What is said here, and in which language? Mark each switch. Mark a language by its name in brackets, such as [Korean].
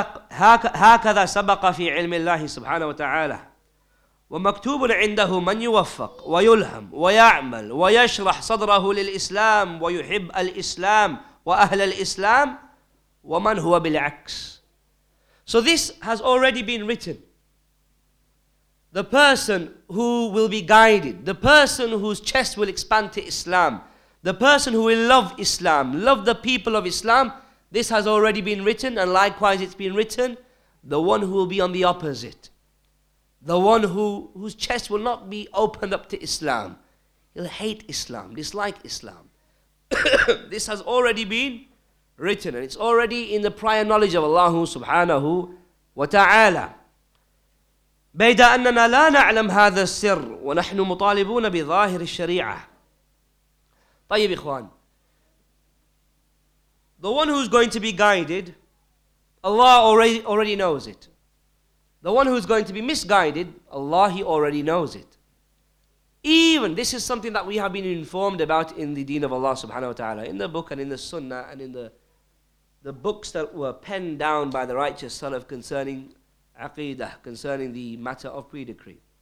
[Arabic] هكذا سبق في علم الله سبحانه وتعالى ومكتوب عنده من يوفق ويلهم ويعمل ويشرح صدره للإسلام ويحب الإسلام وأهل الإسلام ومن هو بالعكس. [English] So this has already been written. The person who will be guided, the person whose chest will expand to Islam, the person who will love Islam, love the people of Islam, this has already been written, and likewise it's been written, the one who will be on the opposite, the one whose chest will not be opened up to Islam, he'll hate Islam, dislike Islam, This has already been written, and it's already in the prior knowledge of Allah subhanahu wa ta'ala. [Arabic] بيد أننا لا نعلم هذا السر ونحن مطالبون بظاهر الشريعة. طيب إخوان, [English] the one who's going to be guided, Allah already knows it. The one who's going to be misguided, Allah, he already knows it. Even, this is something that we have been informed about in the deen of Allah subhanahu wa ta'ala, in the book and in the sunnah and in the books that were penned down by the righteous salaf concerning aqidah, concerning the matter of pre-decree.